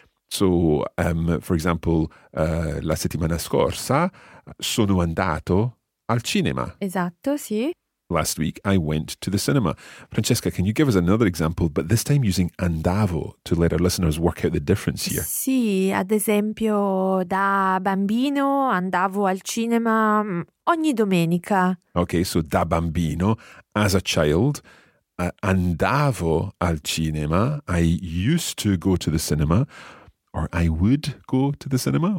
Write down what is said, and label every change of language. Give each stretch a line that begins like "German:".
English: So, for example,
Italian: la settimana scorsa sono andato al cinema. Esatto, sì.
English: Last week I went to the cinema. Francesca, can you give us another example, but this time using andavo to let our listeners work out the difference here?
Italian: Sì, ad esempio, da bambino andavo al cinema ogni domenica.
English: Okay, so
Italian: da bambino,
English: as a child,
Italian: andavo al cinema,
English: I used to go to the cinema. Or I would go to the cinema.